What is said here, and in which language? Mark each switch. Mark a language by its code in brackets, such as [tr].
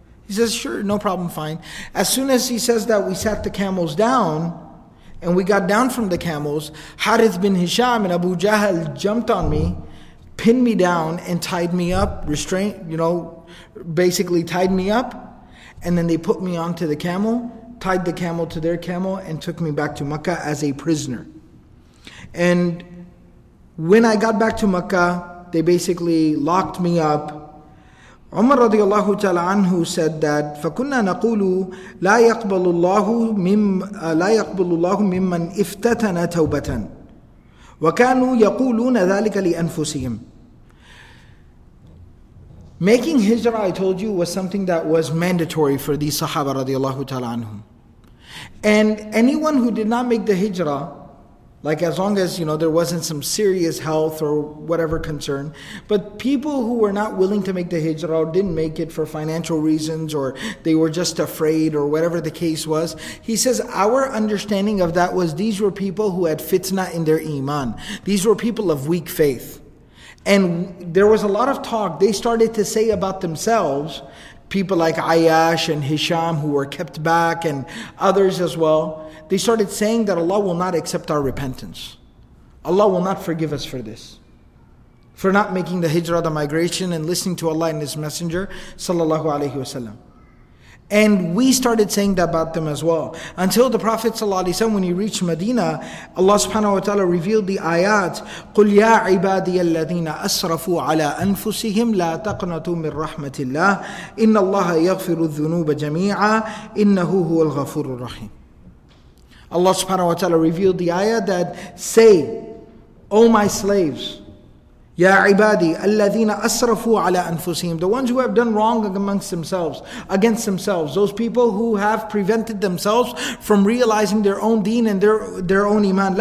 [en] He says, sure, no problem, fine. As soon as he says that, we sat the camels down, and we got down from the camels, Harith bin Hisham and Abu Jahl jumped on me, pinned me down, and tied me up, restrained, you know, basically tied me up, and then they put me onto the camel, tied the camel to their camel, and took me back to Mecca as a prisoner. And when I got back to Mecca, they basically locked me up. [ar] Umar radiallahu ta'ala anhu [en] said that [ar] فَكُنَّا نَقُولُ لَا يَقْبَلُ اللَّهُ مِمَّنْ اِفْتَتَنَ تَوْبَةً وَكَانُوا يَقُولُونَ ذَلِكَ لِأَنفُسِهِمْ. [en] Making hijrah, I told you, was something that was mandatory for these sahaba radiallahu ta'ala anhum. And anyone who did not make the hijrah, like as long as, you know, there wasn't some serious health or whatever concern, but people who were not willing to make the hijrah or didn't make it for financial reasons or they were just afraid or whatever the case was, he says our understanding of that was these were people who had fitna in their iman. These were people of weak faith. And there was a lot of talk they started to say about themselves, people like Ayash and Hisham who were kept back and others as well. They started saying that Allah will not accept our repentance. Allah will not forgive us for this. For not making the hijrah, the migration, and listening to Allah and His Messenger, sallallahu alayhi wasallam. And we started saying that about them as well. Until the Prophet sallallahu alayhi wasallam, when he reached Medina, Allah subhanahu wa ta'ala revealed the ayat, [ar] قُلْ يَا عِبَادِيَ الَّذِينَ أَسْرَفُوا عَلَىٰ أَنفُسِهِمْ لَا تَقْنَتُوا مِنْ رَحْمَةِ اللَّهِ إِنَّ اللَّهَ يَغْفِرُ الذُّنُوبَ جَمِيعًا إِنَّهُ هُوَ الْغَفُورُ الرَّحِيمُ. [en] Allah subhanahu wa ta'ala revealed the ayah that say, O my slaves, [ar] Ya ibadi, alladhina asrafu ala anfusihim, [en] the ones who have done wrong amongst themselves, against themselves, those people who have prevented themselves from realizing their own deen and their own iman.